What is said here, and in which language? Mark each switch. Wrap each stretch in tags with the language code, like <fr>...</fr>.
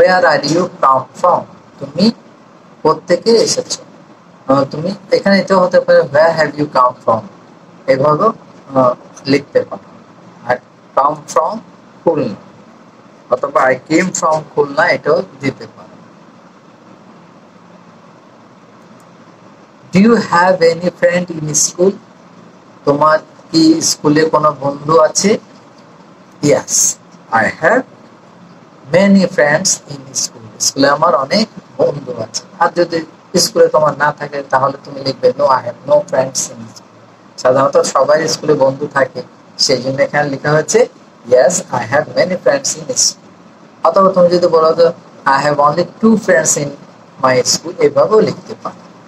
<en>Where are you come from?</en> <bn>তুমি কোত্থেকে এসেছো? তুমি এখানে এটা হতে পারে</bn> <en>where have you come from</en> <bn>এভাবে লিখতে পারো।</bn> <en>Come from Khulna অথবা I came from Khulna</en> <bn>এটাও দিতে পারো।</bn> <en>Do you have any friend in school?</en> <bn>তোমার কি স্কুলে কোনো বন্ধু আছে?</bn> <en>Yes, I have many friends in school.</en> <bn>স্কুলে আমার অনেক বন্ধু আছে। আর যদি স্কুলে তোমার না থাকে তাহলে তুমি লিখবে</bn> <en>No I have no friends in school.</en> <bn>সাধারণত সবাই স্কুলে বন্ধু থাকে সেই জন্য এখানে লেখা হয়েছে</bn> <en>Yes I have many friends in school.</en> <bn>অথবা তুমি যদি বলো তো</bn> <en>I have only two friends in my school</en> <bn>এভাবেও লিখতে পারো।</bn>